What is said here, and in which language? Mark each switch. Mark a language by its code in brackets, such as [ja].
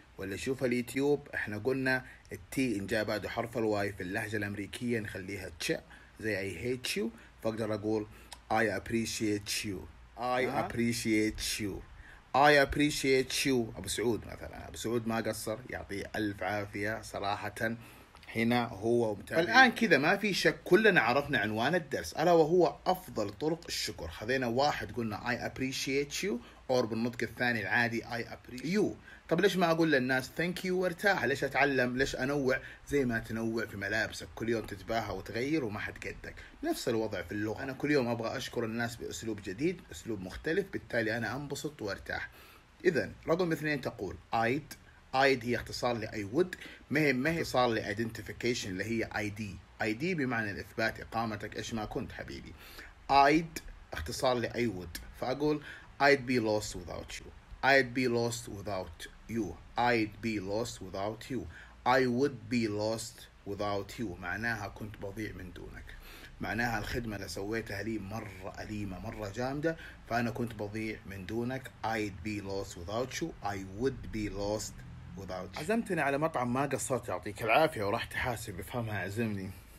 [ar] ولا شوف اليوتيوب احنا قلنا التي ان جاء بعد حرف الواي في اللهجة الامريكية نخليها تش زي [en] I hate you. فاقدر اقول I appreciate you I appreciate you I appreciate you. [ar] ابو سعود مثلا ابو سعود ما قصر يعطيه الف عافية صراحة هنا هو ومتابعين. فالان كذا ما في شك كلنا عرفنا عنوان الدرس الا وهو افضل طرق الشكر. خذينا واحد قلنا [en] I appreciate you or [ar] بالنطق الثاني العادي [en] I appreciate you. [ar] طب ليش ما اقول للناس [en] thank you [ar] وارتاح؟ ليش اتعلم؟ ليش انوع زي ما تنوع في ملابسك كل يوم تتباهى وتغير وما حد قدك؟ نفس الوضع في اللغة، انا كل يوم ابغى اشكر الناس باسلوب جديد اسلوب مختلف بالتالي انا انبسط وارتاح. اذا رقم اثنين تقول [en] I'd. I'd [ar] هي اختصار ل [en] I would، [ar] ما هي اختصار ل identification اللي هي ID. ID بمعنى الاثبات اقامتك ايش ما كنت حبيبي. I'd اختصار ل I would، فاقول [en] I'd be lost without you [ar] I'd be lost without you I'd be lost without you I would be lost without you معناها كنت بضيع من دونك، معناها الخدمة اللي سويتها لي مرة أليمة مرة جامدة فأنا كنت بضيع من دونك. [en] I'd be lost without you I would be lost without you. [ar] عزمتني على مطعم ما قصرت يعطيك العافية وراح تحاسب بفهمها عزمني.